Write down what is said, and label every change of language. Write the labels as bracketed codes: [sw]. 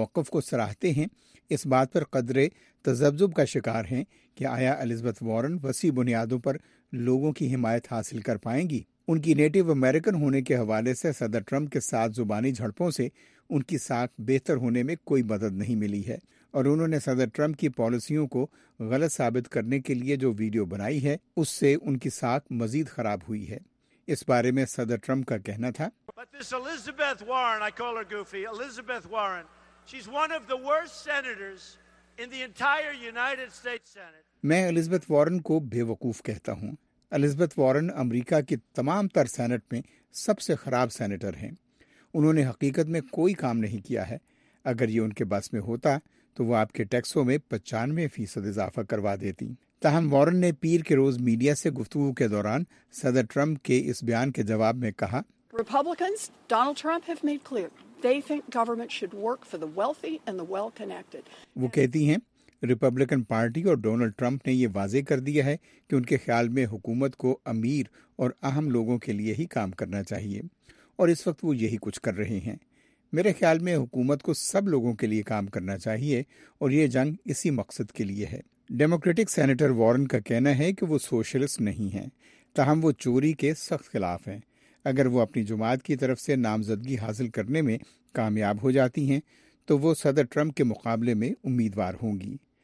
[ur] کو سراہتے ہیں اس بات پر قدرے تذبذب کا شکار ہیں کہ آیا ایلزبتھ وارن وسیع بنیادوں پر لوگوں کی حمایت حاصل کر پائیں گی۔ ان کی نیٹو امریکن ہونے کے حوالے سے صدر ٹرمپ کے ساتھ زبانی جھڑپوں سے ان کی ساکھ بہتر ہونے میں کوئی مدد نہیں ملی ہے، اور انہوں نے صدر ٹرمپ کی پالیسیوں کو غلط ثابت کرنے کے لیے جو ویڈیو بنائی ہے اس سے ان کی ساکھ مزید خراب ہوئی ہے۔ اس بارے میں صدر ٹرمپ کا کہنا تھا، [en] But this Elizabeth Warren, I call her goofy, Elizabeth Warren, she's one of the worst senators in the entire United States Senate. [ur] میں ایلزبتھ وارن کو بے وقوف کہتا ہوں۔ ایلزبتھ وارن امریکہ کے تمام تر سینٹ میں سب سے خراب سینیٹر ہیں۔ انہوں نے حقیقت میں کوئی کام نہیں کیا ہے۔ اگر یہ ان کے بس میں ہوتا تو وہ آپ کے ٹیکسوں میں 95% اضافہ کروا دیتی۔ تاہم وارن نے پیر کے روز میڈیا سے گفتگو کے دوران صدر ٹرمپ کے اس بیان کے جواب میں کہا، [en] Republicans, Donald Trump have made clear they think government should work for the wealthy and the well-connected. [ur] وہ کہتی ہیں، ریپبلکن پارٹی اور ڈونلڈ ٹرمپ نے یہ واضح کر دیا ہے کہ ان کے خیال میں حکومت کو امیر اور اہم لوگوں کے لیے ہی کام کرنا چاہیے، اور اس وقت وہ یہی کچھ کر رہے ہیں۔ میرے خیال میں حکومت کو سب لوگوں کے لیے کام کرنا چاہیے اور یہ جنگ اسی مقصد کے لیے ہے۔ ڈیموکریٹک سینیٹر وارن کا کہنا ہے کہ وہ سوشلسٹ نہیں ہیں، تاہم وہ چوری کے سخت خلاف ہیں۔ اگر وہ اپنی جماعت کی طرف سے نامزدگی حاصل کرنے میں کامیاب ہو جاتی ہیں تو وہ صدر ٹرمپ کے مقابلے میں امیدوار ہوں گی۔